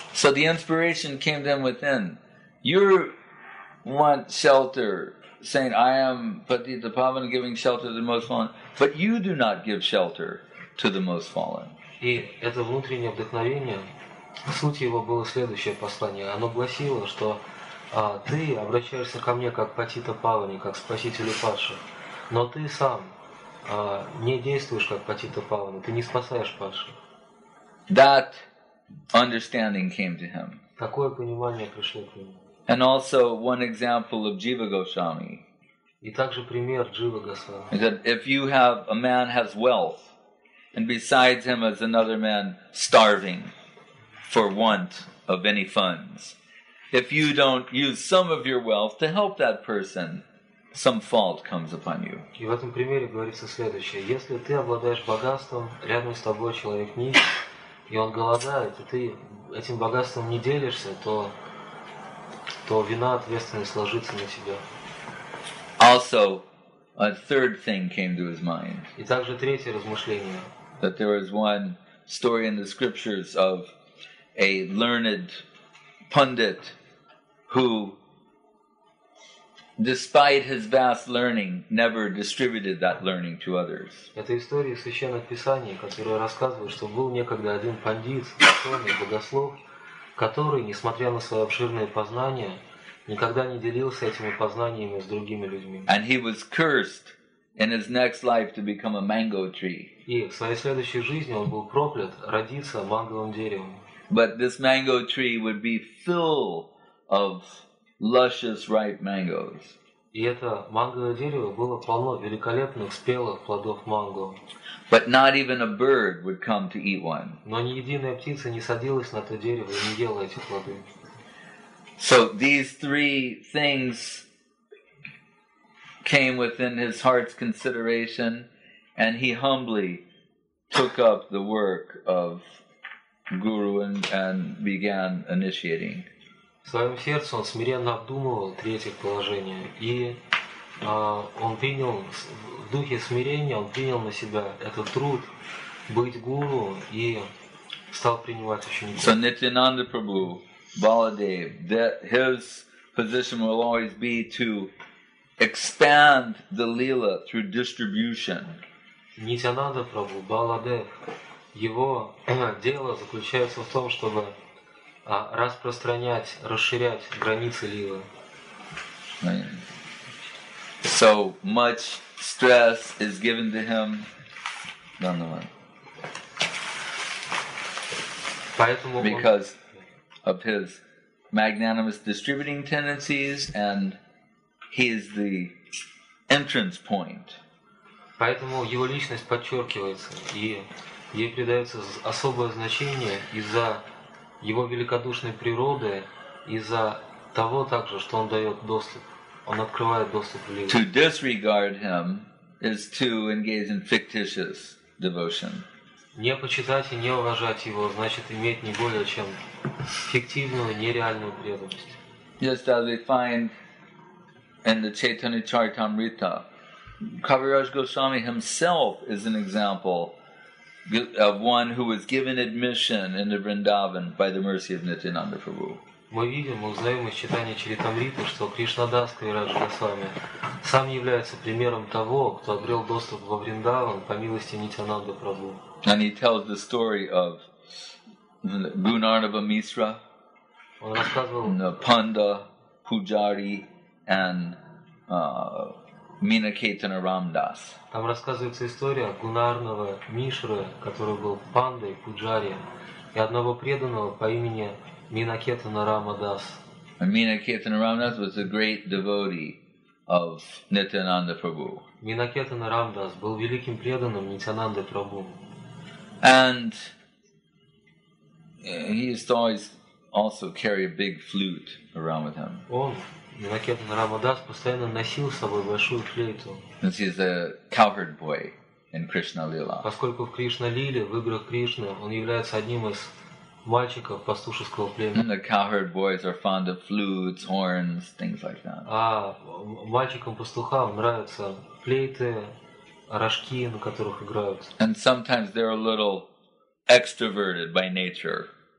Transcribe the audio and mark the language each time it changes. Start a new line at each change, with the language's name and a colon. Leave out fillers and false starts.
English: So the inspiration came then within. You want shelter, saying, I am Patita Pavana, giving shelter to the most fallen. But you do not give shelter to the most fallen.
Russian: И это внутреннее вдохновение, суть его было следующее послание. Оно гласило, что ты обращаешься ко мне как Патита Павани, как спасителю падших, но ты сам не действуешь как Патита Павани, ты не спасаешь падших.
English: That understanding came to him.
Russian: Такое понимание пришло к нему.
English: And also one example of Jiva Goswami.
Russian: И также пример Джива Госвами.
English: He said, if you have a man has wealth, and besides him is another man starving for want of any funds. If you don't use some of your wealth to help that person, some fault comes upon you.
Russian: И в этом примере говорится следующее. Если ты обладаешь богатством, рядом с тобой человек нищ, и он голодает, и ты этим богатством не делишься, то вина ответственность ложится на тебя.
English: Also, a third thing came to his mind.
Russian: И также третье размышление.
English: That there is one story in the scriptures of a learned pundit who, despite his vast learning, never distributed that learning to others.
Russian: Это история из священных писаний, которая рассказывает, что был некогда один пандит, ученый, богослов, который, несмотря на свои обширные познания, никогда не делился этими познаниями с другими людьми.
English: And he was cursed in his next life to become a mango tree.
Russian: И в своей следующей жизни он был проклят родиться манговым деревом.
English: But this mango tree would be full of luscious ripe mangoes.
Russian: И это манговое дерево было полно великолепных спелых плодов манго.
English: But not even a bird would come to eat one.
Russian: Но ни единая птица не садилась на то дерево и не ела эти плоды.
English: So these three things came within his heart's consideration, and he humbly took up the work of Guru and began initiating.
Russian: В своем сердце он смиренно обдумывал третье положение, и он принял в духе смирения, он принял на себя этот труд быть гуру и стал принимать учеников.
English: So Nityananda Prabhu, Baladev, that his position will always be to expand the lila through distribution. Nityananda Prabhu, Baladev.
Russian: Его дело заключается в том, чтобы распространять, расширять границы лилы.
English: So much stress is given to him. Dandavat.
Russian: Поэтому
English: because of his magnanimous distributing tendencies, and he is the entrance point.
Russian: Поэтому его личность подчеркивается и ей придается особое значение из-за его великодушной природы, из-за того также, что он дает доступ, он открывает доступ людям.
English: To disregard him is to engage in fictitious devotion.
Russian: Не почитать и не уважать его значит иметь не более чем фиктивную, нереальную преданность.
English: Just as we find in the Chaitanya Charitamrita, Kaviraj Goswami himself is an example of one who was given admission into Vrindavan by the mercy of Nityananda Prabhu.
Russian: Мы видим, мы узнаем из читания Чаритамриты, что Кришнадас Кавираджа Госвами сам является примером того, кто обрел доступ во Вриндаван по милости Нитянанда Прабху.
English: And he tells the story of Gunarnava Misra, Panda, Pujari, and Minaketana Ramdas.
Russian: Там рассказывается история Гунарнова Мишры, который был Пандой, Пуджари, и одного преданного по имени Minaketana Ramdas.
English: And Minaketana Ramdas was a great devotee of Nityananda Prabhu.
Russian: Minaketana Ramdas был великим преданным Нитянанды Прабху.
English: And he used to always also carry a big flute around with him.
Russian: Minaketana Ramdas постоянно носил с собой большую флейту.
English: Since he is a cowherd boy in Krishna Lila.
Russian: Поскольку в Кришна Лиле, в играх Кришны, он является одним из мальчиков пастушеского племени.
English: And the cowherd boys are fond of flutes, horns, things like that.
Russian: А мальчикам пастухам нравятся флейты, рожки, на которых играют.
English: And sometimes they're a little extroverted by nature.